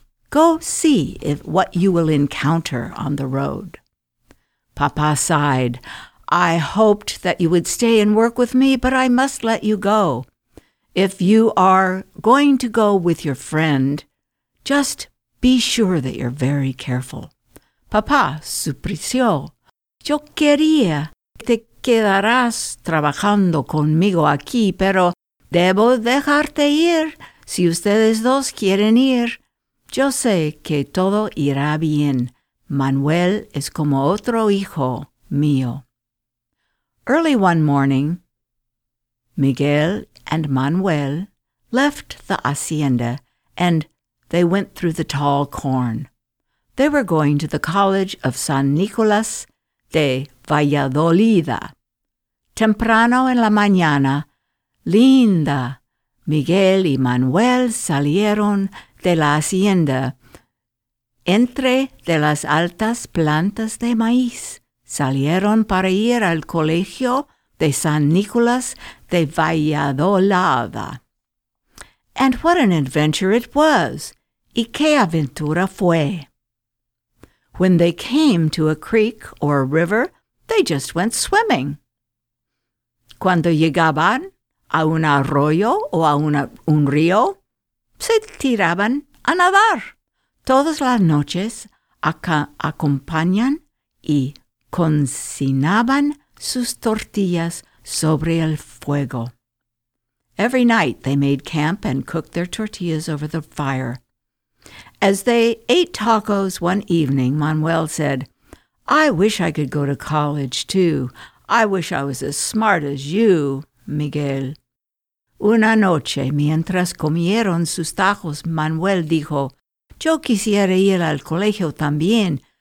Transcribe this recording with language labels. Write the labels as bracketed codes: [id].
[en] Go see what you will encounter on the road." Papa sighed. "I hoped that you would stay and work with me, but I must let you go. If you are going to go with your friend, just be sure that you're very careful." [es] Papa suplició. "Yo quería que te quedaras trabajando conmigo aquí, pero debo dejarte ir. Si ustedes dos quieren ir, yo sé que todo irá bien. Manuel es como otro hijo mío." [en] Early one morning, Miguel and Manuel left the hacienda and they went through the tall corn. They were going to the College of San Nicolas de Valladolid. [es] Temprano en la mañana, linda, Miguel y Manuel salieron de la hacienda entre de las altas plantas de maíz. Salieron para ir al colegio de San Nicolás de Valladolid. [en] And what an adventure it was! [es] Y qué aventura fue! [en] When they came to a creek or a river, they just went swimming. [es] Cuando llegaban a un arroyo o a un río, se tiraban a nadar. Todas las noches acompañan y cocinaban sus tortillas sobre el fuego. [en] Every night they made camp and cooked their tortillas over the fire. As they ate tacos one evening, Manuel said, "I wish I could go to college, too. I wish I was as smart as you, Miguel." [es] Una noche, mientras comieron sus tacos, Manuel dijo, "Yo quisiera ir al colegio también.